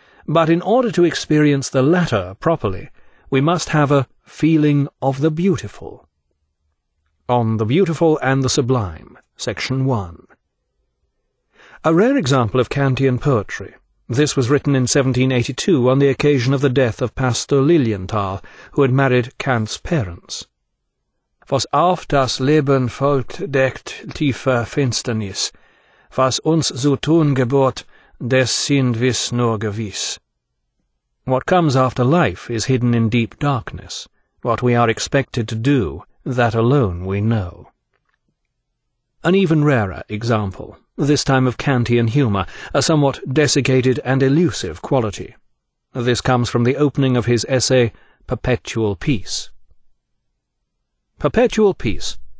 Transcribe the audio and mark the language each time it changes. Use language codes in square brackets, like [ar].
[en] But in order to experience the latter properly, we must have a feeling of the beautiful. On the Beautiful and the Sublime, Section 1. A rare example of Kantian poetry. This was written in 1782 on the occasion of the death of Pastor Lilienthal, who had married Kant's parents. [de] Was auf das Leben folgt, deckt tiefe Finsternis. Was uns zu tun geburt, des sind wir nur gewiss. [en] What comes after life is hidden in deep darkness. What we are expected to do, that alone we know. An even rarer example, this time of Kantian humour, a somewhat desiccated and elusive quality. This comes from the opening of his essay, Perpetual Peace. Perpetual Peace.